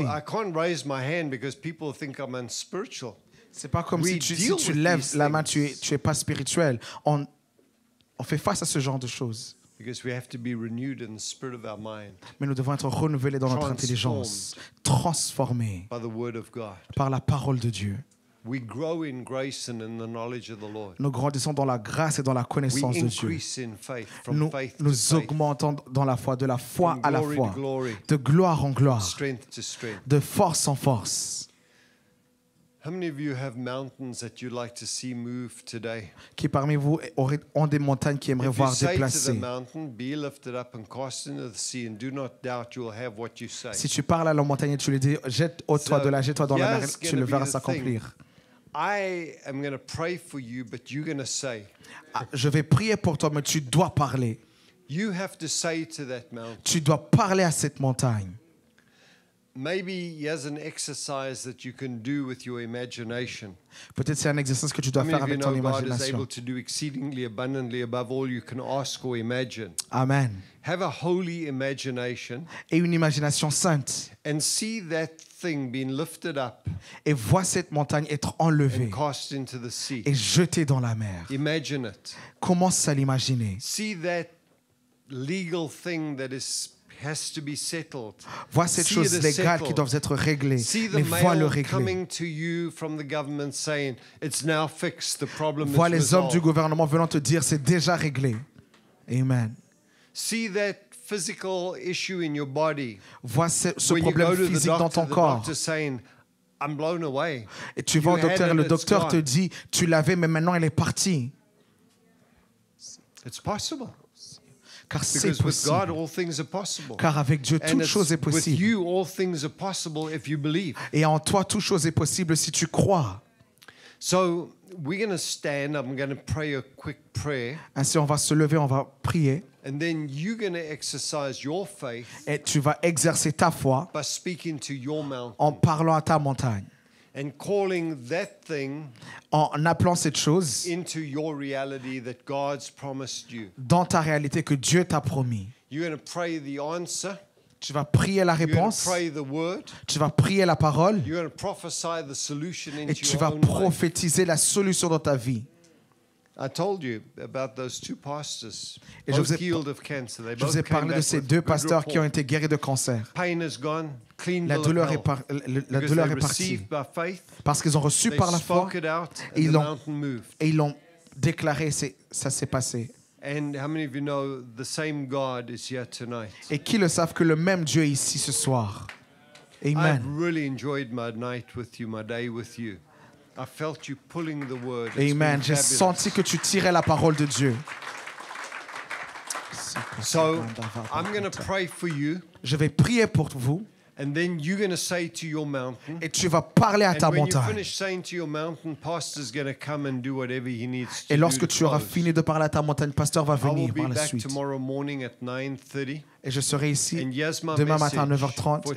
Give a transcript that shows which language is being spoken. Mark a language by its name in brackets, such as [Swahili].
[English] I can't raise my hand because people think I'm unspiritual. [French] C'est pas comme [English] We [French] si tu lèves la main, tu es pas spirituel. On On fait face à ce genre de choses. [English] Because we have to be renewed in the spirit of our mind. [French] Mais nous devons être renouvelés dans notre intelligence, transformés [English] by the word of God. [French] Par la parole de Dieu. [English] We grow in grace and in the knowledge of the Lord. [French] Nous grandissons dans la grâce et dans la connaissance de Dieu. [English] We increase in faith, from [French] nous, [English] faith to [French] nous augmentons [English] faith. [French] Dans la foi, de la foi [English] from [French] à la foi, [English] glory, [French] de gloire en gloire, [English] strength to strength. [French] De force en force. [English] How many of you have mountains that you'd like to see move today? [French] Qui parmi vous ont des montagnes qui aimeraient voir déplacées? [English] The mountain be lifted up and cast into the sea and do not doubt you will have what you say. [French] Si tu parles à la montagne et tu lui dis jette-toi dans la mer, tu le verras s'accomplir. [English] I am going to pray for you but you're going to say. [French] Je vais prier pour toi mais tu dois parler. [English] You have to say to that mountain. [French] Tu dois parler à cette montagne. [English] Maybe there's an exercise that you can do with your imagination. [French] Peut-être c'est un exercice que tu dois faire avec ton imagination. [English] God is able to do exceedingly abundantly above all you can ask or imagine. Amen. Have a holy imagination. [French] Et une imagination sainte. [English] And see that thing being lifted up. [French] Et vois cette montagne être enlevée. [English] And cast into the sea. [French] Et jetée dans la mer. [English] Imagine it. [French] Commence à l'imaginer. [English] See that legal thing that is has to be settled. [French] Vois cette chose légale qui doit être réglée. [English] See the mail coming to you from the government saying it's now fixed. The problem is [French] resolved. Vois les hommes du gouvernement venant te dire c'est déjà réglé. [English] Amen. See that physical issue in your body. [French] Vois ce problème physique dans ton corps. [English] The doctor saying, I'm blown away. [French] Et tu vas au docteur, le docteur te dit tu l'avais mais maintenant elle est partie. [English] It's possible. [French] Car [English] because [French] c'est possible. [English] With God, all things are possible. [French] Car avec Dieu, toute chose est possible. [English] With you, all things are possible if you believe. [French] Et en toi, toute chose est possible si tu crois. [English] So we're going to stand. I'm going to pray a quick prayer. [French] Ainsi, on va se lever, on va prier. [English] And then you're going to exercise your faith. [French] Et tu vas exercer ta foi. [English] By speaking to your mountain. [French] En parlant à ta montagne. [English] And calling that thing [French] en appelant cette chose [English] into your reality that God's promised you. [French] Dans ta réalité que Dieu t'a promis. [English] You're going to pray the answer. [French] Tu vas prier la réponse. [English] You're going to pray the word. [French] Tu vas prier la parole. [English] You're going to prophesy the solution into your [French] life. Et tu vas prophétiser la solution dans ta vie. [English] I told you about those two pastors both healed of cancer. They [French] je vous ai parlé de ces deux pasteurs qui ont été guéris de cancer. [English] Pain is gone. [French] La douleur est partie parce qu'ils ont reçu par la foi et ils l'ont déclaré, ça s'est passé. Et qui le savent que le même Dieu est ici ce soir? [English] Amen. I've really enjoyed my night with you, my day with you. I felt you pulling the word. Amen. [French] J'ai senti que tu tirais la parole de Dieu. [English] So I'm going to pray for you. [French] Je vais prier pour vous. [English] And then you're going to say to your mountain. [French] Et tu vas parler à ta montagne. [English] And when you finish saying to your mountain, pastor's going to come and do whatever he needs to do. [French] Et lorsque tu auras fini de parler à ta montagne, pasteur va venir par la suite. [English] I'll be back tomorrow morning at 9:30. [French] Et je serai ici demain matin à 9h30.